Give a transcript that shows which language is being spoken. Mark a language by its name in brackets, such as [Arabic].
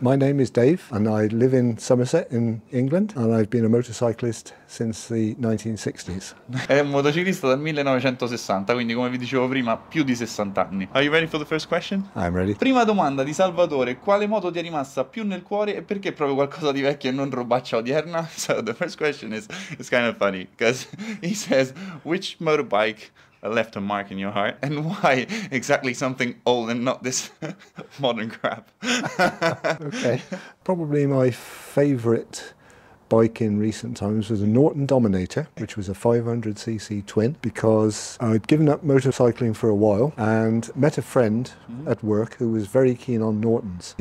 [English] My name is Dave and I live in Somerset in England and I've been a motorcyclist since the 1960s. [Italian] È un motociclista dal 1960, quindi come vi dicevo prima, più di 60 anni. [English] Are you ready for the first question? I'm ready. [Italian] Prima domanda di Salvatore: quale moto ti è rimasta più nel cuore e perché proprio qualcosa di vecchio e non robaccia odierna? [English] So the first question is it's kind of funny because he says which motorbike left a mark in your heart and why exactly something old and not this modern crap. Okay, probably my favorite bike in recent times was a Norton Dominator, which was a 500cc twin, because I'd given up motorcycling for a while and met a friend at work who was very keen on Nortons.